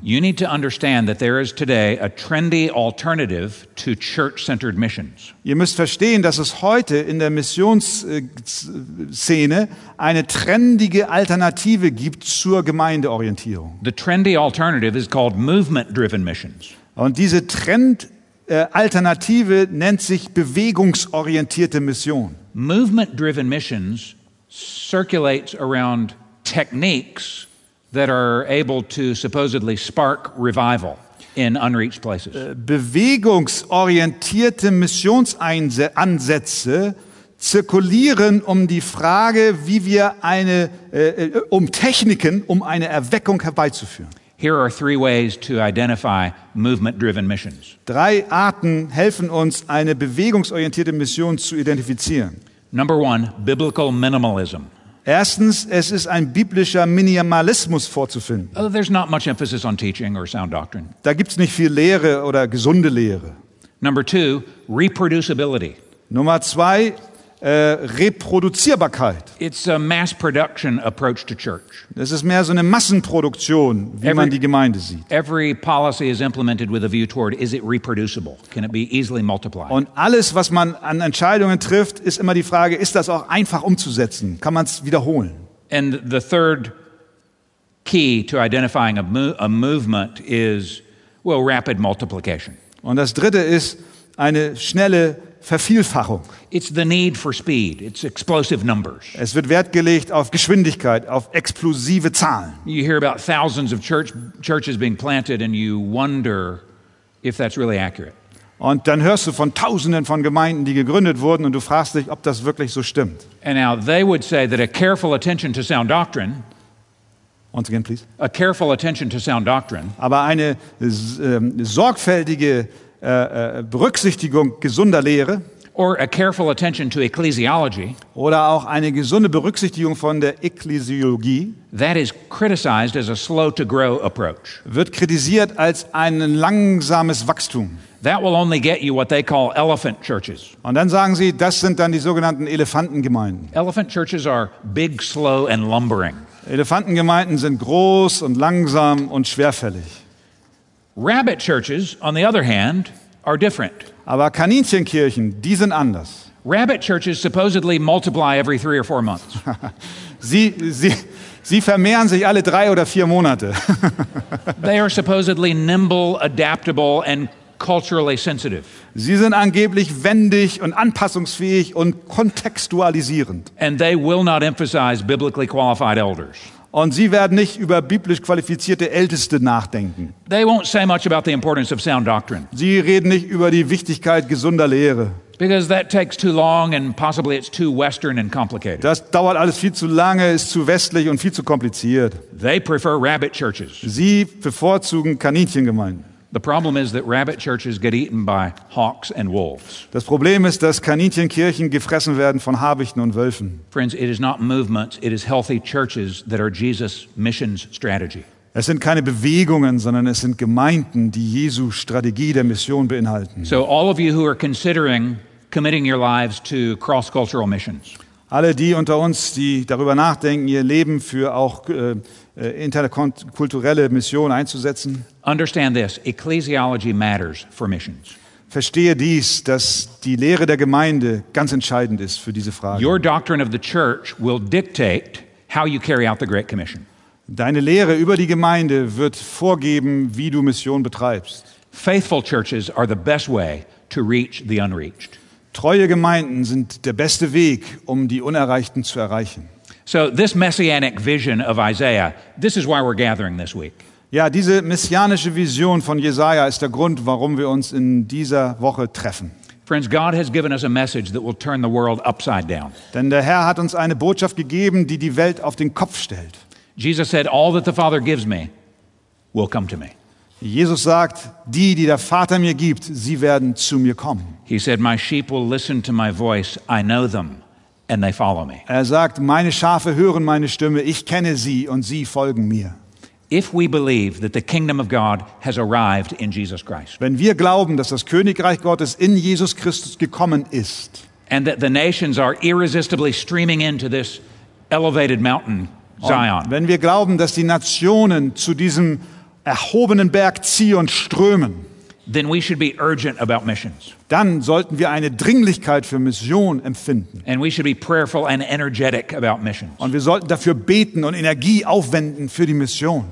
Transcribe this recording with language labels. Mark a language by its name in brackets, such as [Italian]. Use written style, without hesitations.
[English] You need to understand that there is today a trendy alternative to church-centered missions. [German] Ihr müsst verstehen, dass es heute in der Missionsszene eine trendige Alternative gibt zur Gemeindeorientierung. [English] The trendy alternative is called movement-driven missions. [German] Und diese Trend Alternative nennt sich bewegungsorientierte Mission. [English] Movement-driven missions circulates around techniques that are able to supposedly spark revival in unreached places. [German] Bewegungsorientierte Missionsansätze zirkulieren um die Frage, wie wir um Techniken, um eine Erweckung herbeizuführen. [English] Here are three ways to identify movement-driven missions. [German] Drei Arten helfen uns, eine bewegungsorientierte Mission zu identifizieren. [English] Number one, biblical minimalism. [German] Erstens, es ist ein biblischer Minimalismus vorzufinden. [English] Oh, there's not much emphasis on teaching or sound doctrine. [German] Da gibt's nicht viel Lehre oder gesunde Lehre. [English] Number two, reproducibility. [German] Nummer zwei, Reproduzierbarkeit. [English] It's a mass production approach to church. [German] Das ist mehr so eine Massenproduktion, wie man die Gemeinde sieht. [English] Every policy is implemented with a view toward, is it reproducible? Can it be easily multiplied? [German] Und alles, was man an Entscheidungen trifft, ist immer die Frage, ist das auch einfach umzusetzen? Kann man es wiederholen? [English] And the third key to identifying a movement is, well, rapid multiplication. [German] Und das dritte ist eine schnelle Vervielfachung. [English] It's the need for speed. It's explosive numbers. [German] Es wird Wert gelegt auf Geschwindigkeit, auf explosive Zahlen. [English] You hear about thousands of churches being planted and you wonder if that's really accurate. [German] Und dann hörst du von tausenden von Gemeinden, die gegründet wurden und du fragst dich, ob das wirklich so stimmt. [English] And now they would say that a careful attention to sound doctrine. Once again, please. A careful attention to sound doctrine. [German] Aber eine sorgfältige Berücksichtigung gesunder Lehre [English] or a careful attention to ecclesiology, [German] oder auch eine gesunde Berücksichtigung von der Ekklesiologie, [English] that is criticized as a slow to grow approach. [German] Wird kritisiert als ein langsames Wachstum. [English] That will only get you what they call elephant churches. [German] Und dann sagen sie, das sind dann die sogenannten Elefantengemeinden. [English] Elephant churches are big, slow and lumbering. [German] Elefantengemeinden sind groß und langsam und schwerfällig. [English] Rabbit churches, on the other hand, are different. [German] Aber Kaninchenkirchen, die sind anders. [English] Rabbit churches supposedly multiply every 3 or 4 months. [German] sie vermehren sich alle 3 oder 4 Monate. [English] They are supposedly nimble, adaptable, and culturally sensitive. [German] Sie sind angeblich wendig und anpassungsfähig und kontextualisierend. [English] And they will not emphasize biblically qualified elders. [German] Und sie werden nicht über biblisch qualifizierte Älteste nachdenken. [English] They won't say much about the importance of sound doctrine. [German] Sie reden nicht über die Wichtigkeit gesunder Lehre. [English] Because that takes too long and possibly it's too Western and complicated. [German] Das dauert alles viel zu lange, ist zu westlich und viel zu kompliziert. [English] They prefer rabbit churches. [German] Sie bevorzugen Kaninchengemeinden. [English] The problem is that rabbit churches get eaten by hawks and wolves. [German] Das Problem ist, dass Kaninchenkirchen gefressen werden von Habichten und Wölfen. [English] Friends, it is not movements, it is healthy churches that are Jesus' missions strategy. [German] Es sind keine Bewegungen, sondern es sind Gemeinden, die Jesu Strategie der Mission beinhalten. [English] So all of you who are considering committing your lives to cross-cultural missions. [German] Alle die unter uns, die darüber nachdenken, ihr Leben für auch interkulturelle Missionen einzusetzen. [English] Understand this, ecclesiology matters for missions. [German] Verstehe dies, dass die Lehre der Gemeinde ganz entscheidend ist für diese Frage. [English] Your doctrine of the church will dictate how you carry out the Great Commission. [German] Deine Lehre über die Gemeinde wird vorgeben, wie du Mission betreibst. [English] Faithful churches are the best way to reach the unreached. [German] Treue Gemeinden sind der beste Weg, um die Unerreichten zu erreichen. [English] So this messianic vision of Isaiah, this is why we're gathering this week. [German] Ja, diese messianische Vision von Jesaja ist der Grund, warum wir uns in dieser Woche treffen. [English] Friends, God has given us a message that will turn the world upside down. [German] Denn der Herr hat uns eine Botschaft gegeben, die die Welt auf den Kopf stellt. [English] Jesus said, all that the Father gives me will come to me. [German] Jesus sagt, die der Vater mir gibt, sie werden zu mir kommen. [English] He said, my sheep will listen to my voice, I know them. And they follow me. [German] Er sagt, meine Schafe hören meine Stimme, ich kenne sie und sie folgen mir. [English] If we believe that the kingdom of God has arrived in Jesus Christ. [German] Wenn wir glauben, dass das Königreich Gottes in Jesus Christus gekommen ist. [English] and that the nations are irresistibly streaming into this elevated mountain, Zion. [German] Wenn wir glauben, dass die Nationen zu diesem erhobenen Berg ziehen und strömen, [English] then we should be urgent about missions. [German] Dann sollten wir eine Dringlichkeit für Mission empfinden. [English] And we should be prayerful and energetic about missions. [German] Und wir sollten dafür beten und Energie aufwenden für die Mission.